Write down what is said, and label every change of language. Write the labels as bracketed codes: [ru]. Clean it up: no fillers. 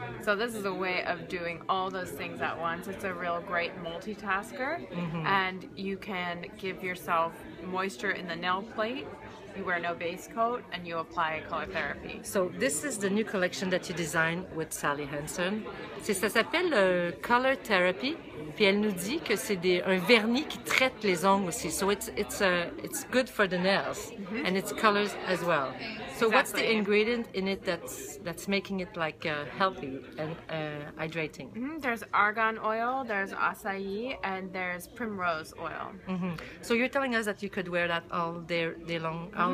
[en] So this is a way of doing all those things at once. It's a real great multitasker, mm-hmm. and you can give yourself moisture in the nail plate. You wear no base coat and you apply color therapy. So this is the new collection that you design with Sally Hansen. [fr] C'est ça s'appelle color therapy. Puis elle nous dit que c'est un vernis qui traite les ongles aussi. [en] So it's good for the nails, mm-hmm. and it's colors as well. So exactly. What's the ingredient in it that's making it like healthy and hydrating? Mm-hmm. There's argan oil, there's acai, and there's primrose oil. Mm-hmm. So you're telling us that you could wear that all day long, mm-hmm.